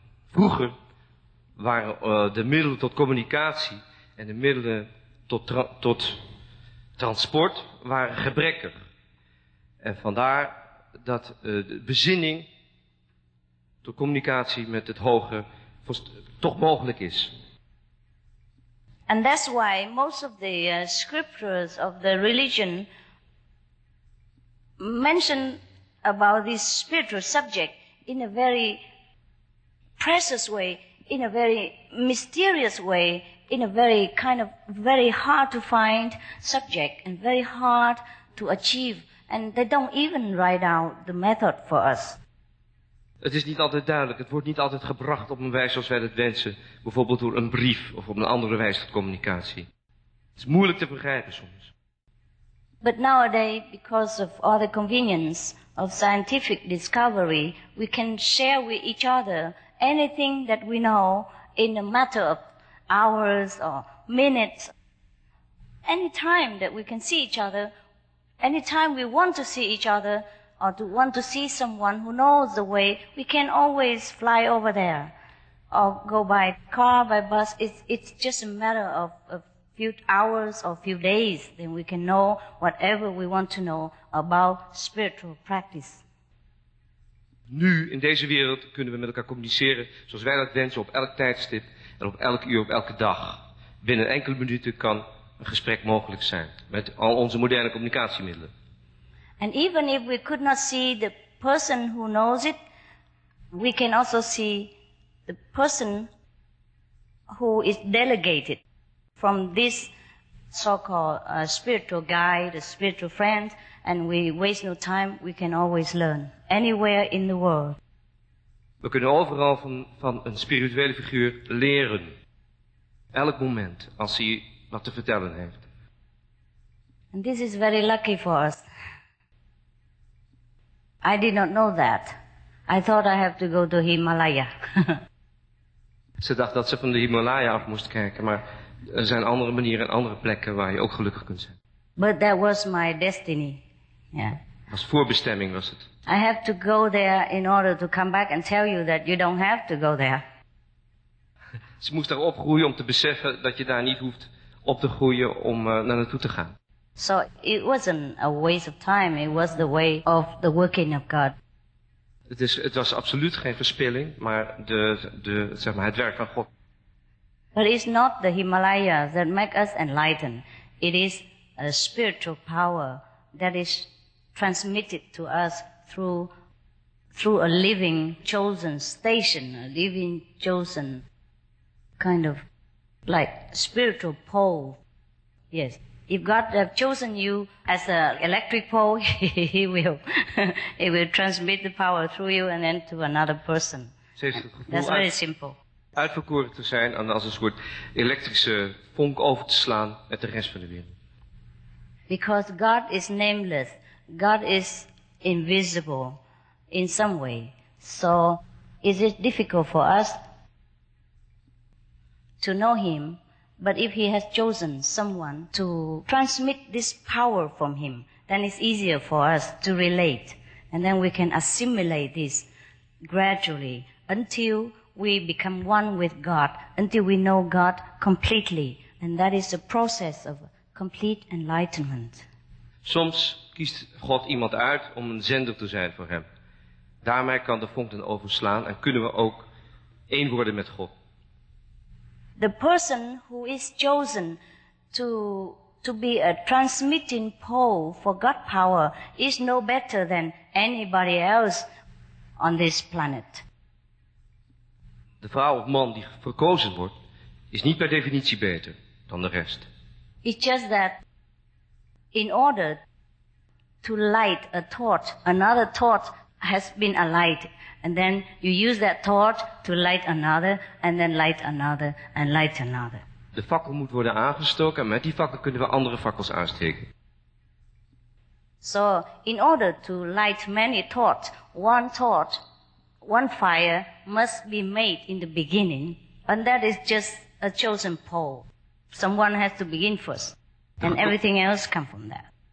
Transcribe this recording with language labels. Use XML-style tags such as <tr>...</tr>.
<nl>Vroeger waren de middelen tot communicatie en de middelen tot transport waren gebrekkig. En vandaar dat de bezinning tot communicatie met het hoge toch mogelijk is.</nl> <en>And that's why most of the scriptures of the religion mention about this spiritual subject in a very precious way, in a very mysterious way, in a very kind of very hard to find subject and very hard to achieve. And they don't even write out the method for us.</en> <nl>Het is niet altijd duidelijk. Het wordt niet altijd gebracht op een wijze zoals wij dat wensen. Bijvoorbeeld door een brief of op een andere wijze tot communicatie. Het is moeilijk te begrijpen soms.</nl> <en>But nowadays, because of all the convenience of scientific discovery, we can share with each other anything that we know in a matter of hours or minutes. Any time that we can see each other, any time we want to see each other or to want to see someone who knows the way, we can always fly over there or go by car, by bus. It's just a matter of a few hours or a few days, then we can know whatever we want to know about spiritual practice.</en> <nl>Nu in deze wereld kunnen we met elkaar communiceren zoals wij dat wensen op elk tijdstip en op elk uur, op elke dag. Binnen enkele minuten kan een gesprek mogelijk zijn met al onze moderne communicatiemiddelen.</nl> <en>And even if we could not see the person who knows it, we can also see the person who is delegated from this so-called spiritual guide, a spiritual friend, and we waste no time, we can always learn anywhere in the world.</en> <nl>We kunnen overal van een spirituele figuur leren. Elk moment, als hij wat te vertellen heeft.</nl> <en>And this is very lucky for us. I did not know that. I thought I have to go to Himalaya.</en> <nl>Ze dacht dat ze van de Himalaya af moest kijken, maar er zijn andere manieren en andere plekken waar je ook gelukkig kunt zijn.</nl> <en>But that was my destiny. Yeah.</en> <nl>Als voorbestemming was het.</nl> <en>I have to go there in order to come back and tell you that you don't have to go there.</en> <nl>Ze moest daar opgroeien om te beseffen dat je daar niet hoeft op te groeien om naar naartoe te gaan.</nl> <en>So it wasn't a waste of time, it was the way of the working of God.</en> <nl>Het was absoluut geen verspilling, maar het werk van God.</nl> <en>But it's not the Himalaya that make us enlightened. It is a spiritual power that is transmitted to us through a living chosen station, a living chosen kind of like spiritual pole. Yes. If God have chosen you as an electric pole, He will. He will transmit the power through you and then to another person. That's very simple.</en> <nl>Uitverkoren te zijn en als een soort elektrische vonk over te slaan met de rest van de wereld.</nl> <en>Because God is nameless. God is invisible in some way. So is it difficult for us to know Him? But if He has chosen someone to transmit this power from Him, then it's easier for us to relate. And then we can assimilate this gradually until we become one with God, until we know God completely. And that is the process of complete enlightenment.</en> <nl>Soms kiest God iemand uit om een zender te zijn voor Hem. Daarmee kan de vonk dan overslaan en kunnen we ook één worden met God.</nl> <en>The person who is chosen to be a transmitting pole for God power is no better than anybody else on this planet.</en> <nl>De vrouw of man die verkozen wordt, is niet per definitie beter dan de rest.</nl> <en>It's just that in order to light a thought, another thought has been alight. And then you use that thought to light another, and then light another, and light another.</en> <nl>De fakkel moet worden aangestoken, en met die fakkel kunnen we andere fakkels aansteken.</nl> <en>So, in order to light many thought, one fire must be made in the beginning, and that is just a chosen pole. Someone has to begin first, and everything else comes from that.</en>